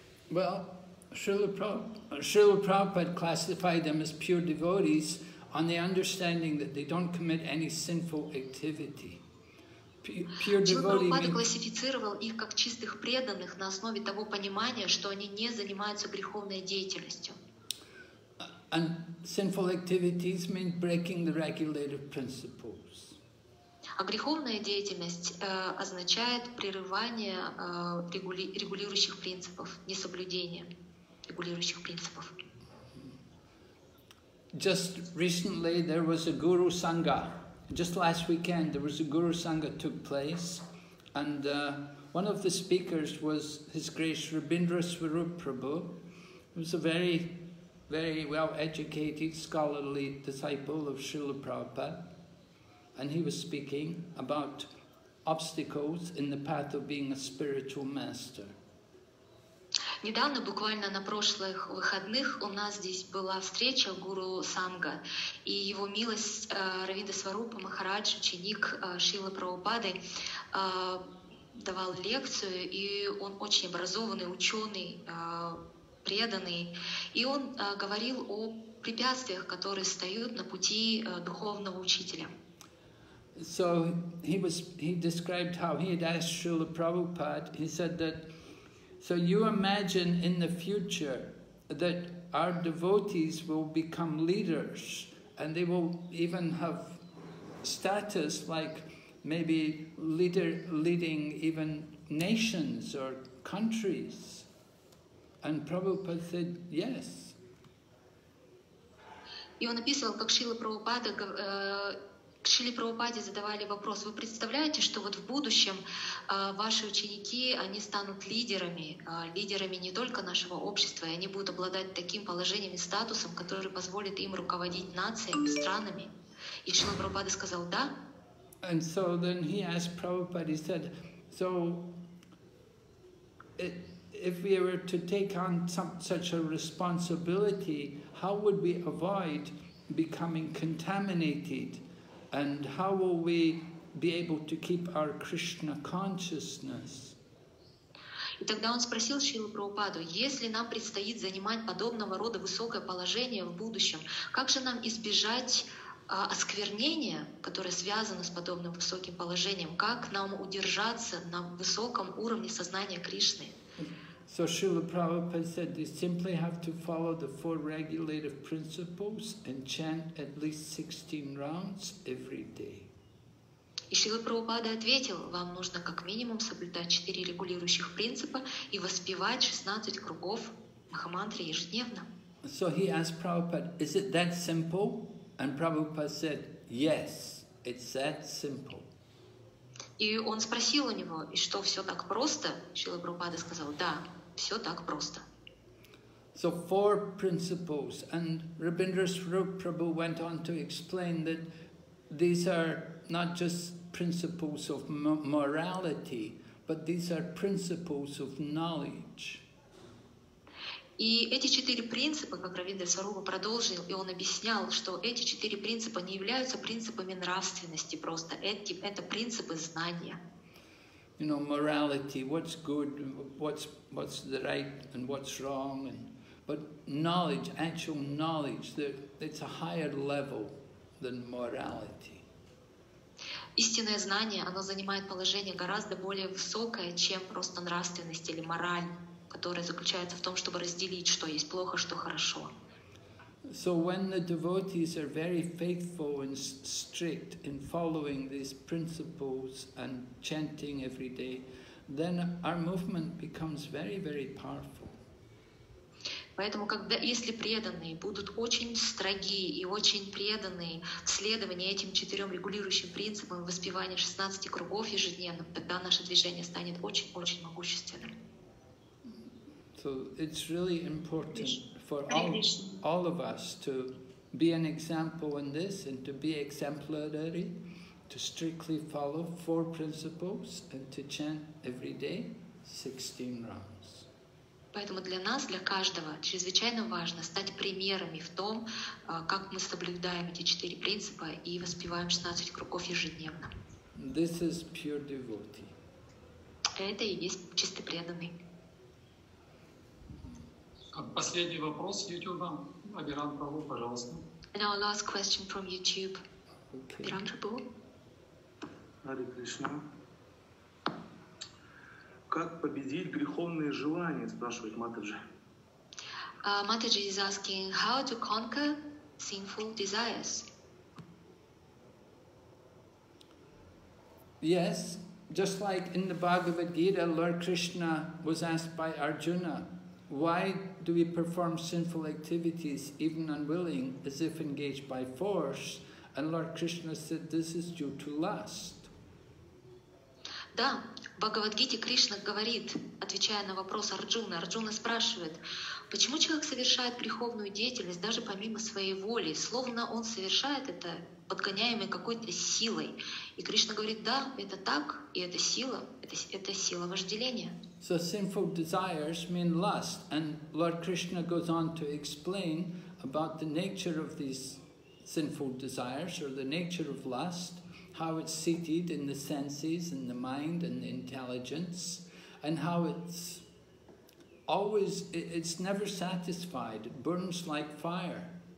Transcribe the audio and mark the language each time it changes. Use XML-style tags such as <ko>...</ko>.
<en>Well, Srila Prabhupada classified them as pure devotees on the understanding that they don't commit any sinful activity.</en> <ru>Прабхупада классифицировал их как чистых преданных на основе того понимания, что они не занимаются греховной деятельностью.</ru> <en>And sinful activities mean breaking the regulative principles.</en> <ru>А греховная деятельность означает прерывание регулирующих принципов, несоблюдение регулирующих принципов.</ru> <en>Just recently there was a Guru Sangha. Just last weekend, there was a Guru Sangha took place, and one of the speakers was His Grace Rabindra Swarup Prabhu. He was a very, very well-educated, scholarly disciple of Srila Prabhupada, and he was speaking about obstacles in the path of being a spiritual master.</en> <ru>Недавно, буквально на прошлых выходных, у нас здесь была встреча Гуру Санга, и его милость Равинда Сварупа Махарадж, ученик Шрилы Прабхупады, давал лекцию, и он очень образованный, ученый, преданный, и он говорил о препятствиях, которые стоят на пути духовного учителя.</ru> <en>So he described how he had asked Srila Prabhupada, he said that so you imagine in the future that our devotees will become leaders and they will even have status like maybe leading even nations or countries. And Prabhupada said, yes.</en> <ru>И он описывал, как Шрила Прабхупада Шрили Прабхупаде задавали вопрос, вы представляете, что вот в будущем ваши ученики, они станут лидерами, лидерами не только нашего общества, и они будут обладать таким положением и статусом, который позволит им руководить нациями, странами. И Шрила Прабхупада сказал, да.</ru> <en>And so then he asked Prabhupada, he said, so if we were to take on some, such a responsibility, how would we avoid becoming contaminated? And how will we be able to keep our Krishna consciousness?</en> <ru>И тогда он спросил Шрилу Прабхупаду, если нам предстоит занимать подобного рода высокое положение в будущем, как же нам избежать осквернения, которое связано с подобным высоким положением? Как нам удержаться на высоком уровне сознания Кришны?</ru> <en>So Srila Prabhupada said, you simply have to follow the four regulative principles and chant at least 16 rounds every day.</en> <ru>И Шрила Прабхупада ответил, вам нужно как минимум соблюдать 4 регулирующих принципа и воспевать 16 кругов Махамантры ежедневно.</ru> <en>So he asked Prabhupada, is it that simple? And Prabhupada said, yes, it's that simple.</en> <ru>И он спросил у него, и что, все так просто? Шрила Прабхупада сказал, да. Все так просто.</ru> <en>So four principles, and Rabindra Swarup Prabhu went on to explain that these are not just principles of morality, but these are principles of knowledge.</en> <ru>И эти четыре принципа, как Рабиндра Сварупа продолжил, и он объяснял, что эти четыре принципа не являются принципами нравственности просто, это принципы знания.</ru> <en>You know, morality, what's good, what's the right and what's wrong, and but knowledge, actual knowledge, it's a higher level than morality.</en> <ru>Истинное знание, оно занимает положение гораздо более высокое, чем просто нравственность или мораль, которая заключается в том, чтобы разделить, что есть плохо, что хорошо.</ru> <en>So when the devotees are very faithful and strict in following these principles and chanting every day, then our movement becomes very, very powerful.</en> <ru>Поэтому, когда если преданные будут очень строги и очень преданные в следовании этим четырем регулирующим принципам воспевания 16 кругов ежедневно, тогда наше движение станет очень-очень могущественным.</ru> <en>So it's really important for all of us to be an example in this and to be exemplary, to strictly follow four principles and to chant every day 16 rounds.</en> <ru>Поэтому для нас, для каждого, чрезвычайно важно стать примерами в том, как мы соблюдаем эти четыре принципа и воспеваем 16 кругов ежедневно.</ru> <en>This is pure devotee.</en> <ru>Это и есть чистый преданный. Последний вопрос с Ютубом. Абхирам Прабху, пожалуйста.</ru> <en>And our last question from YouTube. Абхирам Прабху.</en> <ru>Хари Кришна. Как победить греховные желания, спрашивает Матаджи.</ru> <en>Матаджи is asking, how to conquer sinful desires? Yes, just like in the Bhagavad Gita, Lord Krishna was asked by Arjuna, why do we perform sinful activities, even unwilling, as if engaged by force? And Lord Krishna said, this is due to lust.</en> <ru>Да, в Бхагавад-гите Кришна говорит, отвечая на вопрос Арджуны. Арджуна спрашивает, почему человек совершает греховную деятельность даже помимо своей воли, словно он совершает это подгоняемой какой-то силой. И Кришна говорит, да, это так, и это сила, это сила вожделения.</ru> <en>So sinful desires mean lust, and Lord Krishna goes on to explain about the nature of these sinful desires, or the nature of lust, how it's seated in the senses, in the mind, and the intelligence, and how it's always, it's never satisfied, it burns like fire.</en>